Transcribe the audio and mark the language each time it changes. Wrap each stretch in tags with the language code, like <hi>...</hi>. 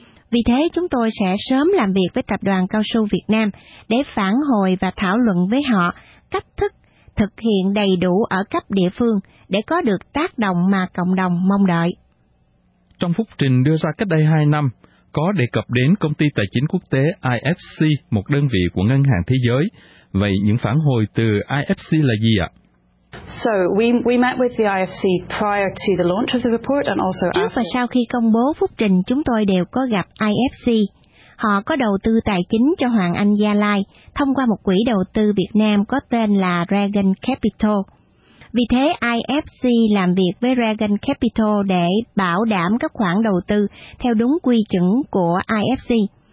<vi>Vì thế chúng tôi sẽ sớm làm việc với Tập đoàn Cao su Việt Nam để phản hồi và thảo luận với họ cách thức thực hiện đầy đủ ở cấp địa phương để có được tác động mà cộng đồng mong đợi. Trong phúc trình đưa ra cách đây 2 năm, có đề cập đến công ty tài chính quốc tế IFC, một đơn vị của Ngân hàng Thế giới. Vậy những phản hồi từ IFC là gì ạ?</vi> <en>So we met with the IFC prior to the launch of the report and also after.</en> <vi>Trước và sau khi công bố phúc trình, chúng tôi đều có gặp IFC. Họ có đầu tư tài chính cho Hoàng Anh Gia Lai thông qua một quỹ đầu tư Việt Nam có tên là Dragon Capital. Vì thế IFC làm việc với Dragon Capital để bảo đảm các khoản đầu tư theo đúng quy chuẩn của IFC.</vi>